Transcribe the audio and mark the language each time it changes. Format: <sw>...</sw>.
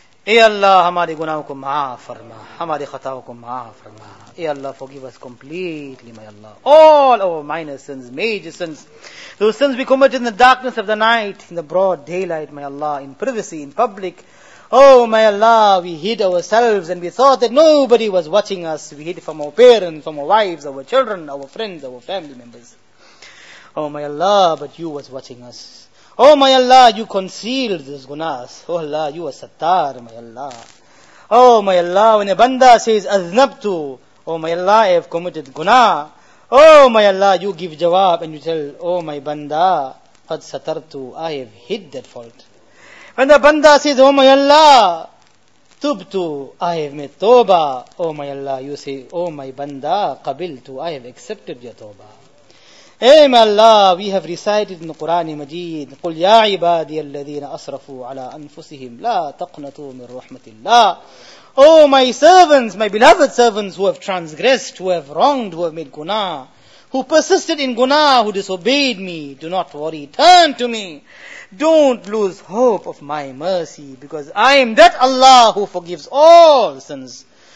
<ur>اے اللہ ہمارے گناہوں کو معاف فرما ہمارے خطاؤں کو معاف فرما اے اللہ</ur> <en>forgive us completely my Allah all our minor sins major sins those sins we committed in the darkness of the night in the broad daylight my Allah in privacy in public oh my Allah we hid ourselves and we thought that nobody was watching us we hid from our parents from our wives our children our friends our family members Oh my Allah, but you was watching us. Oh my Allah, you concealed these gunas. Oh Allah, you are Sattar, my Allah. Oh my Allah, when a banda says aznabtu, oh my Allah, I have committed guna. Oh my Allah, you give jawab and you tell, oh my banda, fad satartu, I have hid that fault. When the banda says, oh my Allah, tubtu, I have made toba. Oh my Allah, you say, oh my banda, qabiltu, I have accepted your toba. Hey my Allah, we have recited in the Qur'an Majeed,</en> <ar>قُلْ يَا عِبَادِيَ الَّذِينَ أَصْرَفُوا عَلَىٰ أَنفُسِهِمْ لَا تَقْنَتُوا مِنْ رَحْمَةِ اللَّهِ.</ar> <en>Oh my servants, my beloved servants who have transgressed, who have wronged, who have made guna, who persisted in guna, who disobeyed me, do not worry, turn to me. Don't lose hope of my mercy, because I am that Allah who forgives all sins.</en>